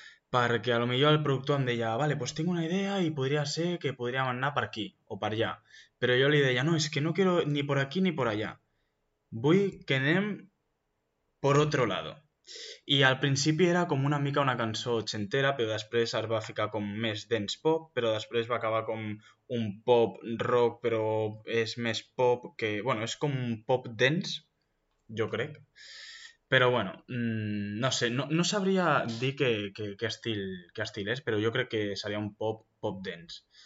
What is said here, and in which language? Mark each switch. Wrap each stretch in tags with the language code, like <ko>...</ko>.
<ca>Perquè a lo millor el productor em deia, vale, pues tinc una idea i podria ser que podríem anar per aquí o per allà. Però jo li deia, no, és que</ca> <es>no quiero ni por aquí ni por allá.</es> <ca>Vull que anem</ca> <es>por otro lado.</es> <ca>I al principi era com una mica una cançó ochentera, però després es va ficar com més dance pop, però després va acabar com un pop rock, però és més pop que... Bueno, és com un pop dance, jo crec. Però bueno, no sé, no sabria dir que estil és, però jo crec que seria un pop dance.</ca>